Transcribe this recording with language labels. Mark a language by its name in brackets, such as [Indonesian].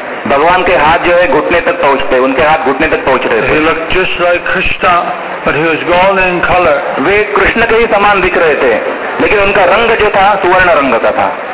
[Hindi] भगवान के हाथ जो है घुटने तक पहुँचते उनके हाथ घुटने तक पहुँच रहे थे. [English] He looked just like Krishna, but he was golden in color. [Hindi] वे कृष्ण के ही समान दिख रहे थे लेकिन उनका रंग जो था सुवर्ण रंग का था.